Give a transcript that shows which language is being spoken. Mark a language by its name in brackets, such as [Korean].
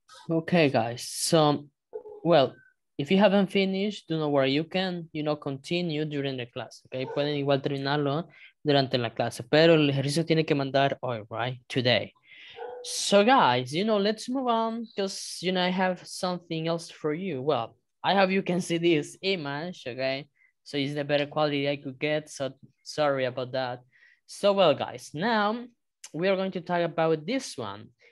[English] Okay, guys, so, well, if you haven't finished, do not worry, you can, you know, continue during the class, okay? [Spanish] Pueden igual terminarlo durante la clase, pero el ejercicio tiene que mandar hoy, right? [English] Today. So, guys, you know, let's move on, because, you know, I have something else for you. Well, I hope you can see this image, okay? So, it's the better quality I could get, so sorry about that. So, well, guys, now we are going to talk about this one.